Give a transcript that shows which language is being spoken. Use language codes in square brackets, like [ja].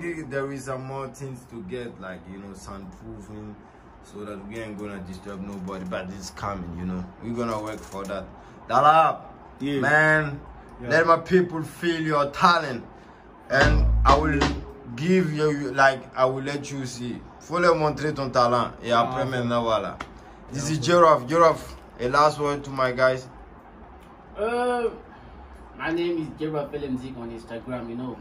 [en] There is some more things to get, like, you know, soundproofing, so that we ain't gonna disturb nobody, but it's coming, you know. We're gonna work for that. Dallahab, yeah. Man, yeah. Let my people feel your talent. And I will give you, like, I will let you see. [fr] Faut leur montrer ton talent. Et après, maintenant, voilà. [en] This is Jerof. Jerof, a last word to my guys. My name is Jerof LMZ on Instagram, you know.